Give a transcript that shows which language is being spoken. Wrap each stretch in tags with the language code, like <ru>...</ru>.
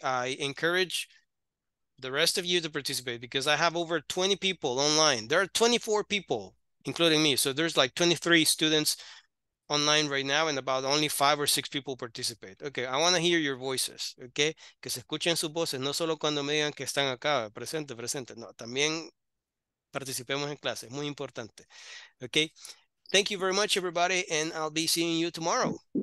<en>I encourage the rest of you to participate because I have over 20 people online. There are 24 people, including me. So there's like 23 students online right now, and about only 5 or 6 people participate. Okay, I want to hear your voices, okay?</en> <es>Que se escuchen sus voces, no solo cuando me digan que están acá, presente, presente, no, también participemos en clase, muy importante, okay?</es> <en>Thank you very much, everybody, and I'll be seeing you tomorrow.</en>